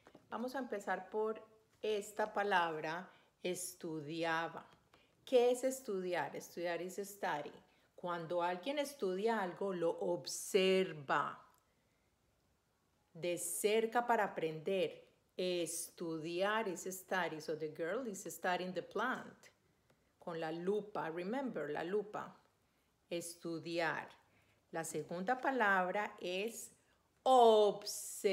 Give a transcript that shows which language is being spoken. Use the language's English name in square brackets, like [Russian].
[Spanish] Vamos a empezar por esta palabra, estudiaba. ¿Qué es estudiar? Estudiar es study. Cuando alguien estudia algo, lo observa de cerca para aprender. [English] Estudiar is study. So the girl is studying the plant. [Spanish] Con la lupa. [English] Remember, [Spanish] la lupa. Estudiar. La segunda palabra es observar.